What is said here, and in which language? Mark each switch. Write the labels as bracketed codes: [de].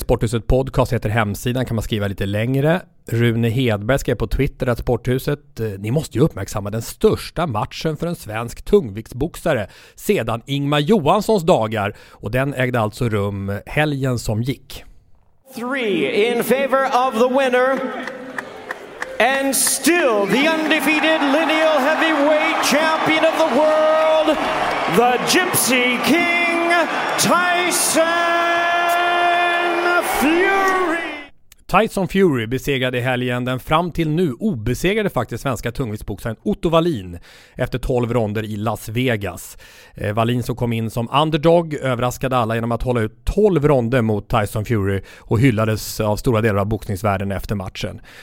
[sv] Sporthuset podcast heter hemsidan, kan man skriva lite längre. Rune Hedberg skrev på Twitter att Sporthuset, ni måste ju uppmärksamma den största matchen för en svensk tungviktsboxare sedan Ingmar Johanssons dagar, och den ägde alltså rum helgen som gick. [en] 3 in favor of the winner. And still the undefeated lineal heavyweight champion of the world, the Gypsy King, Tyson Fury! [sv] Tyson Fury besegrade i helgen den fram till nu obesegrade faktiskt svenska tungviktsboxaren Otto Wallin efter 12 ronder i Las Vegas. Wallin som kom in som underdog överraskade alla genom att hålla ut 12 ronder mot Tyson Fury och hyllades av stora delar av boxningsvärlden efter matchen.